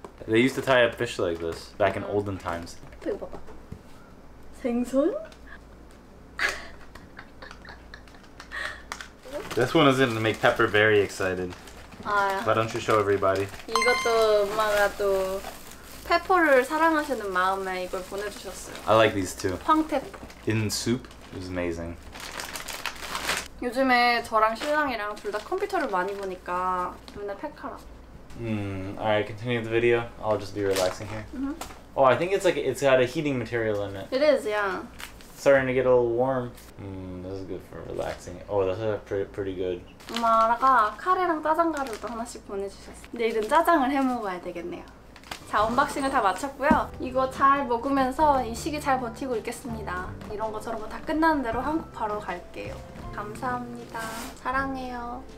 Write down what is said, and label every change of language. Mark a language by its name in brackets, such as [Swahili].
[English] They used to tie a fish like this back in olden times. [Korean] 이거 봐봐. 생선? [English] This one is going to make Pepper very excited. 아, Why don't you show everybody? [Korean] 이것도 엄마가 또 페퍼를 사랑하시는 마음에 이걸 보내주셨어요. [English] I like these too. [Korean] 황태포. [English] In soup? It was amazing. [Korean] 요즘에 저랑 신랑이랑 둘 다 컴퓨터를 많이 보니까 맨날 페카라. [English] Alright, continue the video. I'll just be relaxing here. Mm-hmm. Oh, I think it's like it's got a heating material in it. It is, yeah. Starting to get a little warm. This is good for relaxing. Oh, this is pretty good. [Korean] 엄마가 카레랑 짜장가루도 하나씩 보내주셨어. 내일은 짜장을 해 먹어야 되겠네요. 자, 언박싱을 다 마쳤고요. 이거 잘 먹으면서 이 시기 잘 버티고 있겠습니다. 이런 거 저런 거 다 끝나는 대로 한국 바로 갈게요. 감사합니다. 사랑해요.